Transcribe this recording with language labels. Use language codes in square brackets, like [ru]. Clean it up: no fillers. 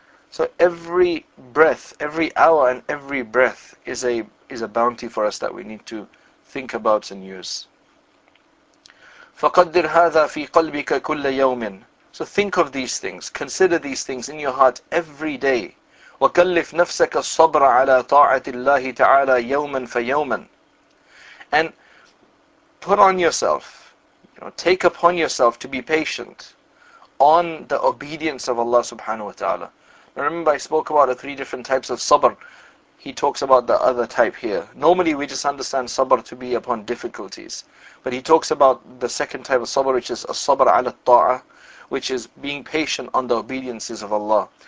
[en] So every breath, every hour and every breath is a bounty for us that we need to think about and use. [ar] فقدر هذا في قلبك كل يوم. [en] So think of these things, consider these things in your heart every day. [ar] وكلف نفسك الصبر على طاعة الله تعالى يوما فيوما. [en] And put on yourself, you know, take upon yourself to be patient on the obedience of Allah subhanahu wa ta'ala. Remember, I spoke about the three different types of sabr. He talks about the other type here. Normally, we just understand sabr to be upon difficulties. But he talks about the second type of sabr, which is a sabr ala ta'a, which is being patient on the obediences of Allah.